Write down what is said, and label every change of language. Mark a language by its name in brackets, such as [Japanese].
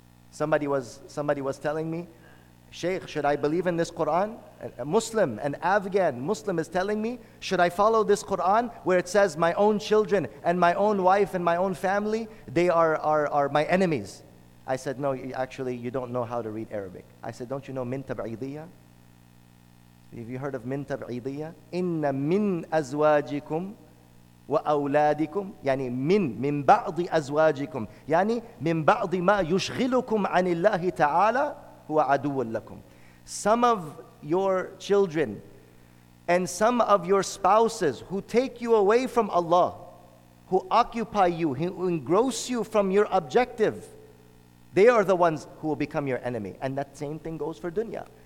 [English] Somebody was telling me, Shaykh, should I believe in this Quran? A Muslim, an Afghan Muslim, is telling me, should I follow this Quran where it says my own children and my own wife and my own family, they are my enemies? I said, no, actually, you don't know how to read Arabic. I said, don't you know min tab'idiyya? Have you heard of min tab'idiyya? [Arabic] Inna min azwajikum وأولادكم يعني من بعض أزواجكم يعني من بعض ما يشغلكم عن الله تعالى هو عدو لكم. [English] Some of your children and some of your spouses who take you away from Allah, who occupy you, who engross you from your objective, they are the ones who will become your enemy. And that same thing goes for dunya.